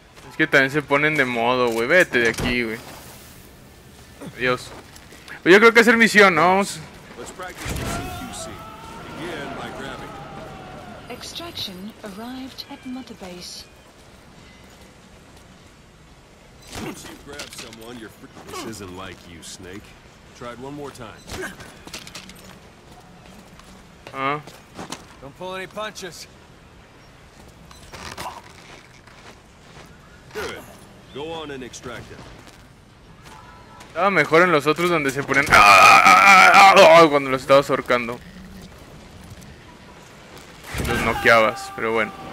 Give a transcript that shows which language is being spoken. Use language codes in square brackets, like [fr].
[es] Es que también se ponen de modo, güey. Vete de aquí, güey. Adiós. Pues yo creo que es el misión, ¿no? Vamos. [en] Let's practice the CQC. Begin by grabbing. Extraction arrived at mother base. Once you grab someone, you're freaking. This isn't like you, Snake. Try it one more time. Huh? Don't pull any punches. Good. Go on and extract him. [es] Estaba mejor en los otros donde se ponen ¡ah! Cuando los estabas ahorcando. Los noqueabas, pero bueno.